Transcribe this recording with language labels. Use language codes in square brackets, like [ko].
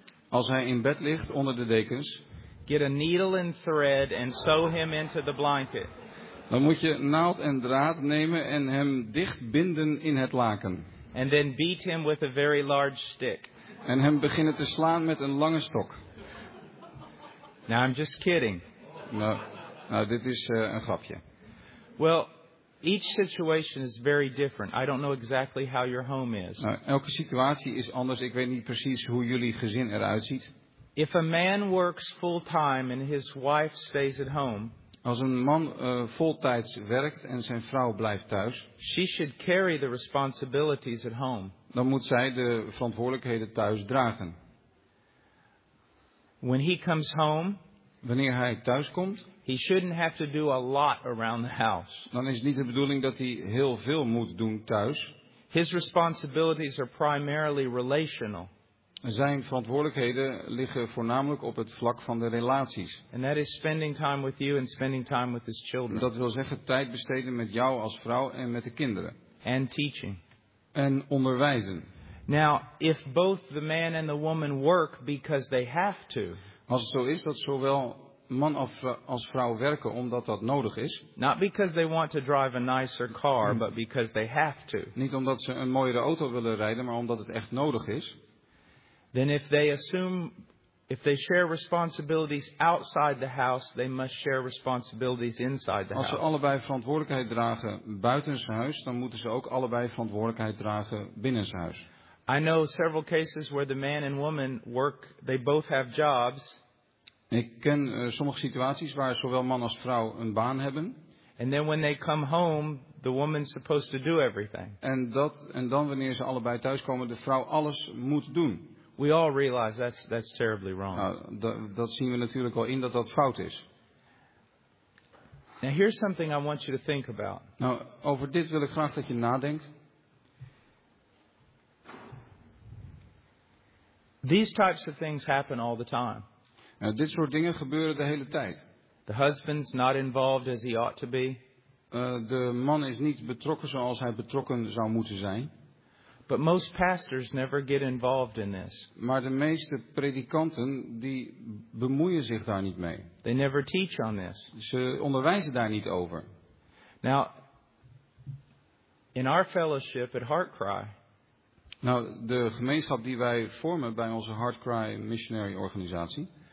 [nl] Als hij in bed ligt onder de dekens. [en] Get a needle and thread and sew him into the blanket. [nl] Dan moet je naald en draad nemen en hem dicht binden in het laken. [en] And then beat him with a very large stick. [nl] En hem beginnen te slaan met een lange stok. [en] Now I'm just kidding. [nl] No. Nou, dit is een grapje. [en] Well, each situation is very different. I don't know exactly how your home is. [nl] Elke situatie is anders. Ik weet niet precies hoe jullie gezin eruit ziet. [en] If a man works full time and his wife stays at home, [nl] als een man voltijds werkt en zijn vrouw blijft thuis, [en] she should carry the responsibilities at home. [nl] Dan moet zij de verantwoordelijkheden thuis dragen. [en] When he comes home, [nl] wanneer hij thuis komt, [en] he shouldn't have to do a lot around the house. [nl] Dan is het niet de bedoeling dat hij heel veel moet doen thuis. [en] His responsibilities are primarily relational. [nl] Zijn verantwoordelijkheden liggen voornamelijk op het vlak van de relaties. [en] And that is spending time with you and spending time with his children. [nl] Dat wil zeggen tijd besteden met jou als vrouw en met de kinderen. [en] And teaching. [nl] En onderwijzen. [en] Now, if both the man and the woman work because they have to. [nl] Als het zo is dat zowel man als vrouw werken omdat dat nodig is. [en] Not because they want to drive a nicer car, but because they have to. [nl] Niet omdat ze een mooiere auto willen rijden, maar omdat het echt nodig is. [en] Then if they assume, if they share responsibilities outside the house, they must share responsibilities inside the house. [nl] Als ze allebei verantwoordelijkheid dragen buitenshuis, dan moeten ze ook allebei verantwoordelijkheid dragen binnenshuis. [en] I know several cases where the man and woman work, they both have jobs. [nl] Ik ken sommige situaties waar zowel man als vrouw een baan hebben. [en] And then when they come home, the woman's supposed to do everything. [nl] En dan wanneer ze allebei thuiskomen, de vrouw alles moet doen. [en] We all realize that's terribly wrong. [nl] Dat zien we natuurlijk al in dat fout is. [en] Now here's something I want you to think about. [nl] Nou, over dit wil ik graag dat je nadenkt. [en] These types of things happen all the time. [nl] Nou, dit soort dingen gebeuren de hele tijd. [en] The husband's not involved as he ought to be. [nl] De man is niet betrokken zoals hij betrokken zou moeten zijn. [en] But most pastors never get involved in this. [nl] Maar de meeste predikanten die bemoeien zich daar niet mee. [en] They never teach on this. [nl] Ze onderwijzen daar niet over. [en] Now, in our fellowship at Heartcry. [nl] Nou, de gemeenschap die wij vormen bij onze Heartcry missionary organisatie.